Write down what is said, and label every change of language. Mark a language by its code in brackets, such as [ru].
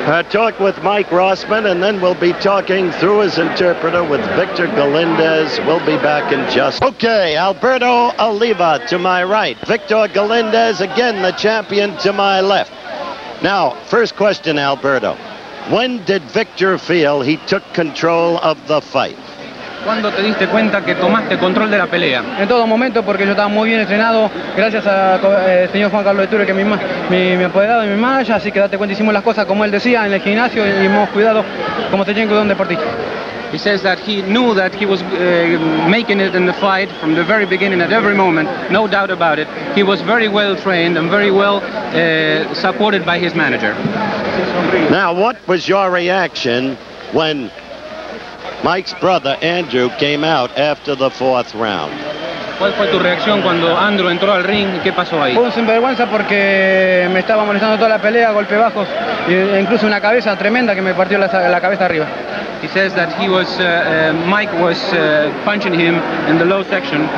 [en] Talk with Mike Rossman, and then we'll be talking through his interpreter with Victor Galindez. We'll be back in just... Okay, Alberto Oliva to my right. Victor Galindez, again, the champion, to my left. Now, first question, Alberto. When did Victor feel he took control of the fight? [es] Cuando te diste cuenta que tomaste control de la pelea. En todo momento, porque yo estaba muy bien entrenado, gracias a señor Juan Carlos Eture, que es mi apoderado y mi manager, así que date cuenta, hicimos las cosas como él decía, en el gimnasio, y hemos cuidado como te llenco de un deportista. [en] He says that he knew that he was making it in the fight from the very beginning, at every moment, no doubt about it. He was very well trained and very well supported by his manager. Now, what was your reaction when Mike's brother Andrew came out after the fourth round? [es] ¿Cuál fue tu reacción cuando Andrew entró al ring? ¿Qué pasó ahí? Fue un sinvergüenza porque me estaba molestando toda la pelea, golpe bajos, incluso una cabeza tremenda que me partió la cabeza arriba. [en] He says that he was Mike was punching him in the low section.